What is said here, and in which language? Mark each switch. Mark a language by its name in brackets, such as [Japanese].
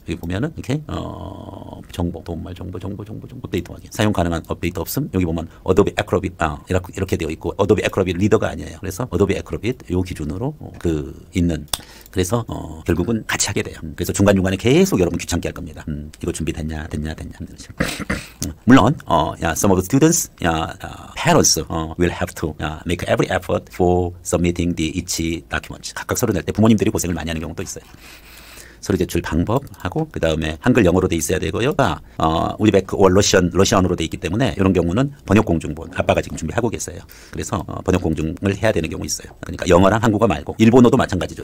[Korean] 여기 보면은 이렇게 정보 도움말 정보 데이터 확인 사용 가능한 업데이트 없음 여기 보면 어도비 애크로빗 이렇게 되어 있고 어도비 애크로빗 리더가 아니에요. 그래서 어도비 애크로빗 요 기준으로 그 있는 그래서 결국은 같이 하게 돼요. 그래서 중간중간에 계속 여러분 귀찮게 할 겁니다. 이거 준비됐냐 됐냐 물론 [English] some of the students parents will have to make every effort for submitting the each document. [Korean] 각각 서류 낼 때 부모님들이 고생을 많이 하는 경우도 있어요. 서류 제출 방법하고 그 다음에 한글 영어로 돼 있어야 되고요. 우즈베크 or 러시안으로 돼 있기 때문에 이런 경우는 번역 공중본 아빠가 지금 준비하고 계세요. 그래서 번역 공중을 해야 되는 경우 있어요. 그러니까 영어랑 한국어 말고 일본어도 마찬가지죠.